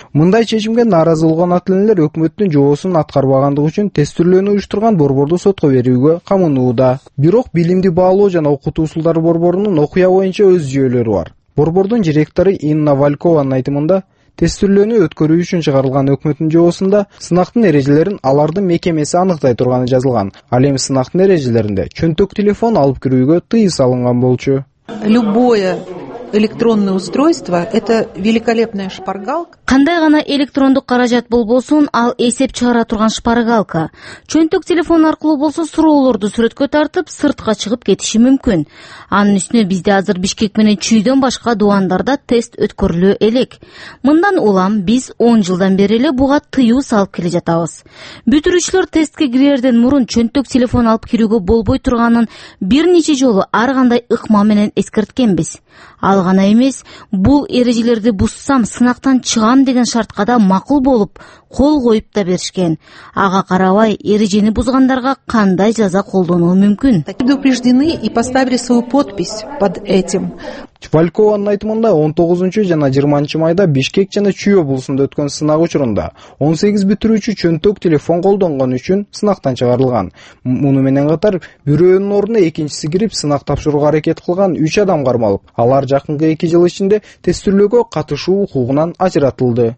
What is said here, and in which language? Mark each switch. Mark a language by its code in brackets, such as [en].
[ky] Мындай чечимге нааразы болгон ата энелер өкмөттүн жоосун аткарбагандыгы үчүн тестирлөөнү уюштурган борборду сотко берүүгө камынууда. Бирок билимди баалоо жана окутуу усулдары борборунун окуя боюнча өз жүйөлөрү бар. Борбордун директору Инна Валькованын айтымында, тестирлөөнү өткөрүү үчүн чыгарылган өкмөттүн жобосунда сынактын эрежелерин алардын мекемеси аныктай турганы жазылган. Ал эми сынактын эрежелеринде чөнтөк телефон алып кирүүгө тыюу салынган болчу. [ru] Любое электронное устройство это великолепная шпаргалка. [ky] Кандай гана электрондук каражат болбосун, ал эсеп чыгара турган шпаргалка. Чөнтөк телефон аркылуу болсо, суроолорду сүрөткө тартып, сыртка чыгып кетиши мүмкүн. Анын үстүнө бизде азыр Бишкек менен Чүйдөн башка дуандарда тест өткөрүлө элек. Мындан улам биз 10 жылдан бери эле буга тыюу салып келе жатабыз. Бүтүрүүчүлөр тестке кирерден мурун чөнтөк телефон алып кирүүгө болбой турганын бир нече жолу ар кандай ыкма менен эскерткенбиз. Ал гана эмес, бул эрежелерди бузсам сынактан чыгам деген шартка да макул болуп, кол коюп да беришкен. Ага карабай, эрежени бузгандарга кандай жаза колдонулуу мүмкүн? [ru] Предупреждены и поставили свою подпись под этим. [ky] Чувалькованын айтымында 19-чу жана 20-чу майда Бишкек жана Чүй облусунда өткөн сынак учурунда 18 бүтүрүүчү чөнтөк телефон колдонгон үчүн сынактан чыгарылган. Муну менен катар, бирөөнүн ордуна экинчиси кирип сынак тапшырууга аракет кылган 3 адам кармалып, алар жакынкы 2 жыл ичинде тестирлөөгө катышуу укугунан ажыратылды.